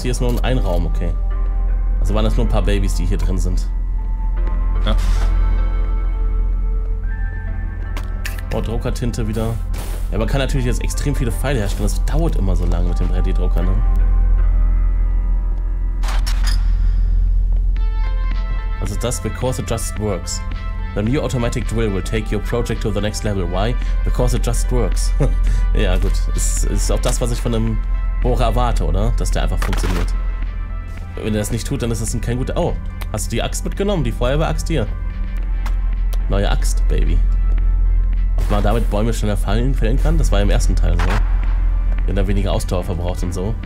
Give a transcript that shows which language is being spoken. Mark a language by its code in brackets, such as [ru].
[de] Hier ist nur ein Raum, okay. Also waren das nur ein paar Babys, die hier drin sind. Ja. Oh, Druckertinte wieder. Ja, man kann natürlich jetzt extrem viele Pfeile herstellen, das dauert immer so lange mit dem 3D-Drucker, ne? Also das, [en] because it just works. The new automatic drill will take your project to the next level. Why? Because it just works. [de] Ja, gut. Ist auch das, was ich von einem Bohrer erwarte, oder? Dass der einfach funktioniert. Wenn er das nicht tut, dann ist das kein guter... Oh, hast du die Axt mitgenommen? Die Feuerwehr-Axt hier? Neue Axt, Baby. Man damit Bäume schneller fällen kann, das war im ersten Teil so. Wenn da weniger Ausdauer verbraucht und so.